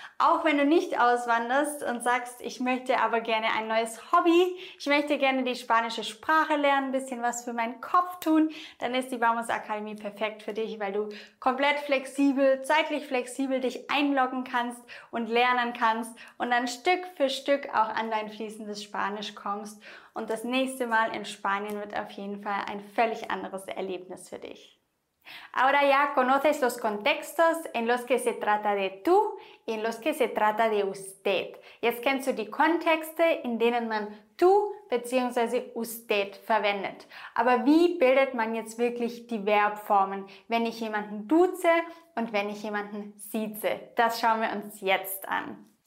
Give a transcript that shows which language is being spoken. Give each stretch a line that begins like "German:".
German: Auch wenn du nicht auswanderst und sagst, ich möchte aber gerne ein neues Hobby, ich möchte gerne die spanische Sprache lernen, ein bisschen was für meinen Kopf tun, dann ist die Vamos Akademie perfekt für dich, weil du komplett flexibel, zeitlich flexibel dich einloggen kannst und lernen kannst und dann Stück für Stück auch an dein fließendes Spanisch kommst. Und das nächste Mal in Spanien wird auf jeden Fall ein völlig anderes Erlebnis für dich.
Spanish: Ahora ya conoces los contextos en los que se trata de tú y en los que se trata de usted.
German: Jetzt kennst du die Kontexte, in denen man tú bzw. usted verwendet. Aber wie bildet man jetzt wirklich die Verbformen, wenn ich jemanden duze und wenn ich jemanden sieze? Das schauen wir uns jetzt an.